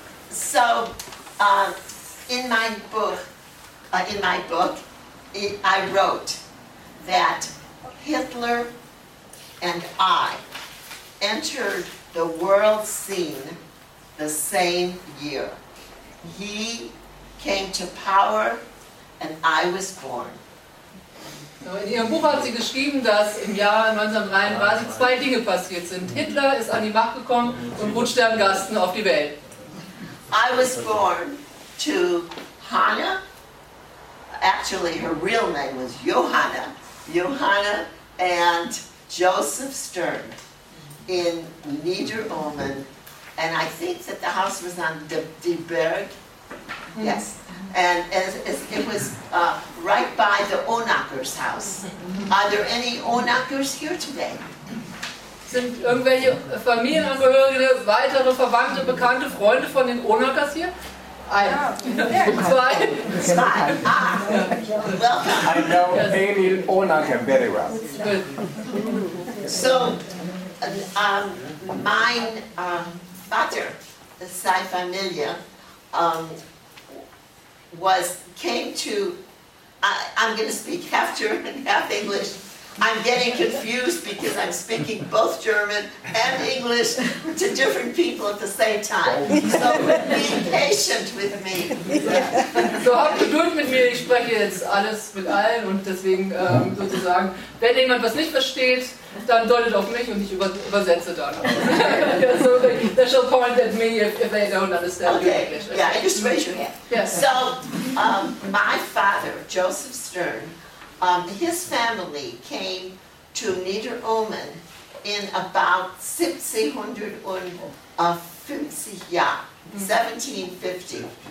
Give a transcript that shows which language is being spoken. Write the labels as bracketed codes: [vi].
[en] So, in my book, I wrote that Hitler and I entered the world scene the same year. He came to power and I was born. [de] In ihrem Buch hat sie geschrieben, dass im Jahr 1933 zwei Dinge passiert sind. Hitler ist an die Macht gekommen und Rotstern-Gasten auf die Welt. [en] I was born to Hannah. Actually, her real name was Johanna. Johanna and Joseph Stern in Niederolmen. And I think that the house was on De Berg. Yes. And it was right by the Onacker's house. Are there any Onackers here today? [de] Sind irgendwelche Familienangehörige, weitere Verwandte, bekannte Freunde von den Onackers hier? Zwei. [en] I know Amy Onacker very well. So, [de] mein Vater, seine Familie, [en] I'm going to speak half German, half English. I'm getting confused because I'm speaking both German and English to different people at the same time. So be patient with me. [de] So hab Geduld mit mir, ich spreche jetzt alles mit allen und deswegen sozusagen, wenn jemand was nicht versteht, dann deutet auf mich und ich übersetze dann. [en] So they shall point at me if they don't understand okay. English. Okay, yeah, just raise your hand. Yeah. So, my father, Joseph Stern, his family came to Niederolmen in about 1750, 1750.